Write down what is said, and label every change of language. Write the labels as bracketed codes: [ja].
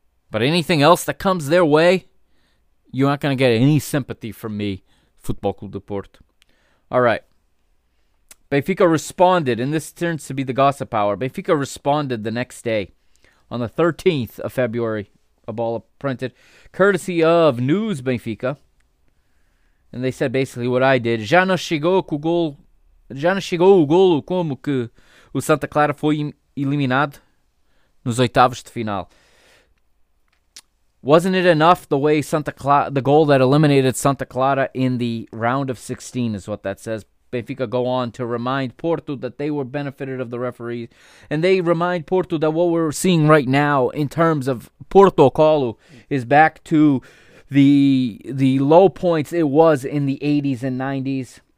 [en] But anything else that comes their way, you're not going to get any sympathy from me, Futebol Clube do Porto. All right. Benfica responded, and this turns to be the gossip hour. Benfica responded the next day on the 13th of February, a ball printed, courtesy of News Benfica. And they said basically what I did. [pt] Já não chegou o golo como que o Santa Clara foi eliminado nos oitavos de final. [en] Wasn't it enough the way Santa Clara, the goal that eliminated Santa Clara in the round of 16 is what that says. Benfica go on to remind Porto that they were benefited of the referees. And they remind Porto that what we're seeing right now in terms of Porto Colo is back to the low points it was in the 80s and 90s.